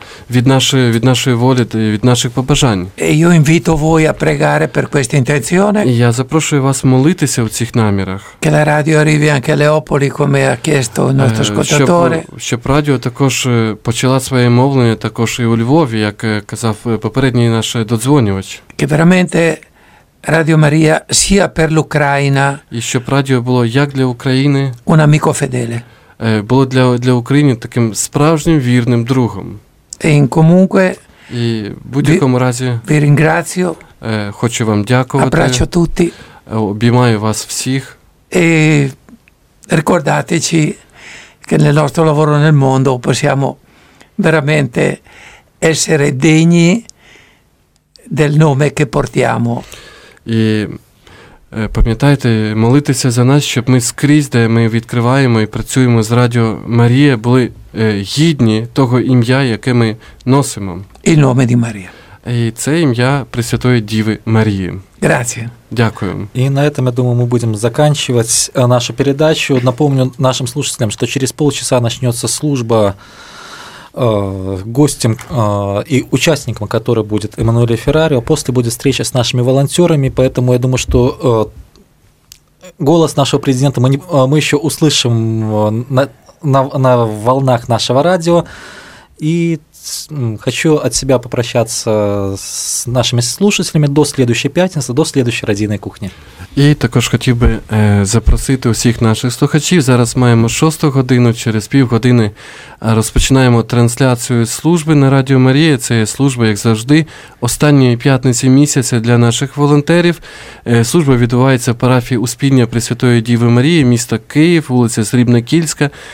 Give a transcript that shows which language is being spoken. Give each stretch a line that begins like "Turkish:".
Ukrainian: Від нашої волі, від наших побажань.
Italian: E io invito voi a pregare per questa intenzione.
Ukrainian: Я запрошую вас молитися у цих намірах.
Italian: Che la radio arrivi anche a Leopoli, come ha chiesto il nostro ascoltatore.
Ukrainian: Щоб радіо також почала своє мовлення також і у Львові, як казав попередній наш додзвонювач.
Italian: Che veramente Radio Maria sia per l'Ucraina.
Ukrainian: І щоб радіо було як для України.
Italian: Un amico fedele.
Ukrainian: Було для України таким справжнім вірним другом.
Italian: E in comunque.
Ukrainian: І будь-якому разі.
Italian: Vi ringrazio.
Ukrainian: Хочу вам дякувати.
Italian: Abbraccio tutti.
Ukrainian: Обіймаю вас всіх.
Italian: E ricordateci che nel nostro lavoro nel mondo possiamo veramente essere degni del nome che portiamo.
Ukrainian: І пам'ятайте, молитися за нас, щоб ми скрізь, де ми відкриваємо і працюємо з Радіо Марія, були гідні того ім'я, яке ми носимо.
Italian: Il nome di Maria.
Ukrainian: І це ім'я Пресвятої Діви Марії.
Italian: Grazie.
Ukrainian: Дякую. І на цьому, я думаю, ми будемо закінчувати нашу передачу.
Russian: Напомню нашим слушателям,
Ukrainian: що
Russian: через полчаса
Ukrainian: почнеться
Russian: служба гостем и участником, который будет Эммануэль Феррарио. После будет встреча с нашими волонтерами, поэтому я думаю, что голос нашего президента мы еще услышим на волнах нашего радио. И хочу от себя попрощаться с нашими слушателями до следующей пятницы, до следующей радійной кухни.
Ukrainian: І також хотів би запросити усіх наших слухачів. Зараз маємо 6-ту годину, через півгодини розпочинаємо трансляцію служби на Радіо Марія. Це є служба, як завжди, останньої п'ятниці місяця для наших волонтерів. Служба відбувається в парафії Успіння Пресвятої Діви Марії, міста Київ, вулиця Срібнокільська.